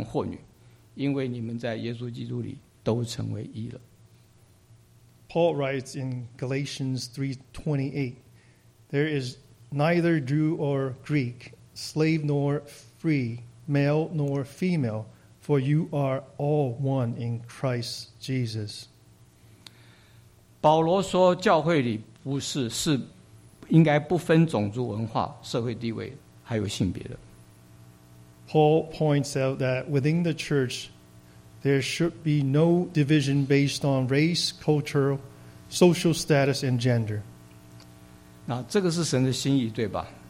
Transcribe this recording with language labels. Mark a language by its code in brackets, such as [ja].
[zh] 保罗在哥加拉太书3章28那边讲，并不分犹太人、希腊人、自主为奴的、或男或女，因为你们在耶稣基督里 [en] Paul writes in Galatians 3:28, There is neither Jew or Greek, slave nor free, male nor female, for you are all one in Christ Jesus. [zh] 保罗说教会里不是，是应该不分种族、文化、社会地位，还有性别的。 [en] Paul points out that within the church, there should be no division based on race, culture, social status, and gender. [zh] 那这个是神的心意，对吧？